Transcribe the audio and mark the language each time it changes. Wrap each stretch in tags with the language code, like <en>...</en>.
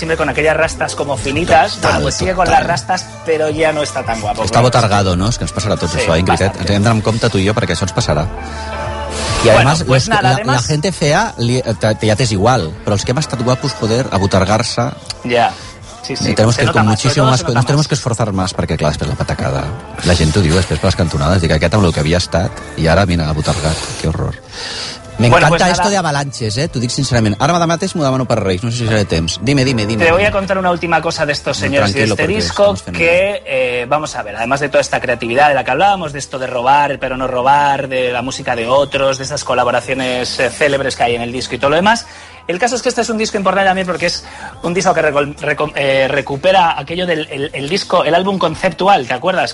<es>Siempre con aquellas rastas como finitas. Total, bueno, pues sigue con las rastas, pero ya no está tan guapo. Está botargado, ¿no? Es que nos pasará todo eso, Ingrid. Tendrán compte tú y yo, porque eso nos pasará. Y además, bueno, pues nada, la gente fea ya te es igual, pero los que más están guapos, joder, a botargarse. Ya. Nos tenemos que esforzar más</es> <ca>perquè, clar, després la patacada. La gent ho diu, després per les cantonades, dic, aquest amb el que havia estat, i ara, mira, botargat, que horror. M'encanta</ca> <es>esto de</es> <ca>avalanches, t'ho dic sincerament. Ara mateix m'ho demano per Reis, no sé si seré temps.</ca> <es>Dime. Te voy a contar una última cosa de estos señores y de este disco, que, vamos a ver, además de toda esta creatividad de la que hablábamos, de esto de robar, pero no robar, de la música de otros, de esas colaboraciones célebres que hay en el disco y todo lo demás... El caso es que este es un disco importante también porque es un disco que recupera aquello del el disco, el álbum conceptual, ¿te acuerdas?</es>